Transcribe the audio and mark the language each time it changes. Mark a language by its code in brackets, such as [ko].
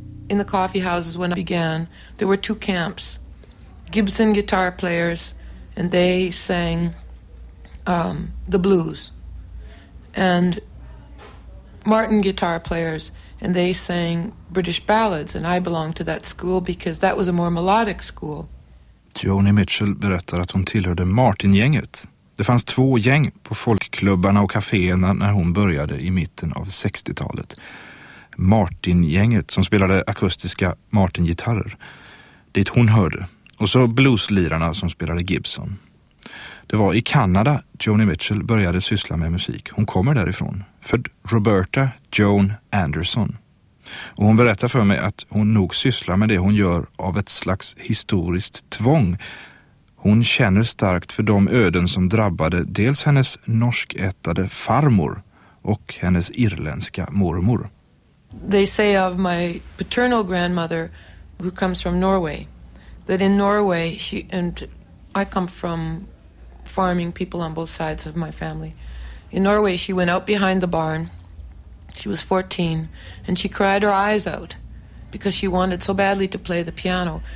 [en] In the coffee houses when I began, there were two camps, Gibson guitar players, and they sang the blues, and Martin guitar players, and they sang British ballads, and I belonged to that school because that was a more melodic school. [sv] Joni Mitchell berättar att hon tillhörde Martin-gänget. Det fanns två gäng på folkklubbarna och kaféerna när hon började i mitten av 60-talet. Martin-gänget som spelade akustiska Martin-gitarrer. Det hon hörde. Och så blueslirarna som spelade Gibson. Det var i Kanada Joni Mitchell började syssla med musik. Hon kommer därifrån. Född Roberta Joan Anderson. Och hon berättar för mig att hon nog sysslar med det hon gör av ett slags historiskt tvång. Hon känner starkt för de öden som drabbade dels hennes norskättade farmor och hennes irländska mormor. [en] They say of my paternal grandmother, who comes from Norway, that in Norway, she and I come from farming people on both sides of my family. In Norway, she went out behind the barn. She was 14, and she cried her eyes out because she wanted so badly to play the piano.